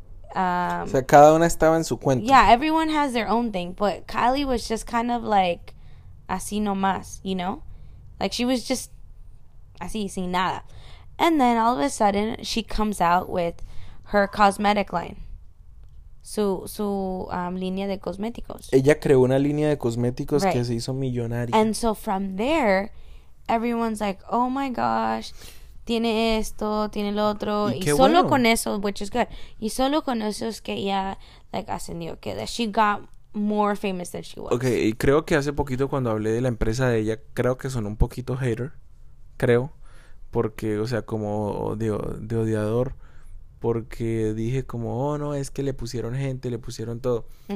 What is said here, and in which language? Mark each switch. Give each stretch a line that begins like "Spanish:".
Spanish: O sea, cada una estaba en su cuenta.
English: Yeah, everyone has their own thing, but Kylie was just kind of like,
Spanish: así nomás,
English: you know? Like, she was just
Spanish: así, sin nada.
English: And then all of a sudden, she comes out with her cosmetic line.
Spanish: Su línea de cosméticos. Ella creó una línea de cosméticos que se hizo millonaria. And so from there, everyone's like, oh my gosh, tiene esto, tiene lo otro. Y solo bueno. Con eso,
English: which is good.
Spanish: Y solo con eso es que ella, like, ascendió.
English: Que that she got more famous than she was.
Spanish: Okay, y creo que hace poquito cuando hablé de la empresa de ella, creo que sonó un poquito hater. Creo. Porque, o sea, como de odiador. Porque dije como, oh no, es que le pusieron gente, le pusieron todo.